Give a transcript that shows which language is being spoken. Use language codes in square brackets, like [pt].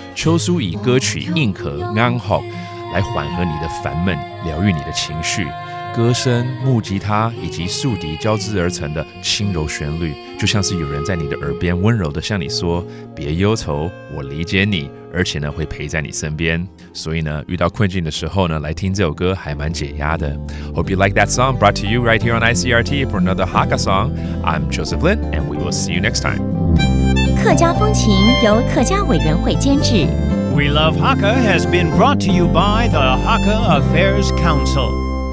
[zh] 邱舒以歌曲硬壳刚好来缓和你的烦闷，疗愈你的情绪。歌声、木吉他以及豎笛交织而成的轻柔旋律，就像是有人在你的耳边温柔的向你说：“别忧愁，我理解你，而且呢会陪在你身边。” 所以呢，遇到困境的时候呢，来听这首歌还蛮解压的。 [en] Hope you like that song brought to you right here on ICRT for another Hakka song. I'm Joseph Lin, and we will see you next time. [zh] 客家风情由客家委员会监制。 [en] We Love Hakka has been brought to you by the Hakka Affairs Council.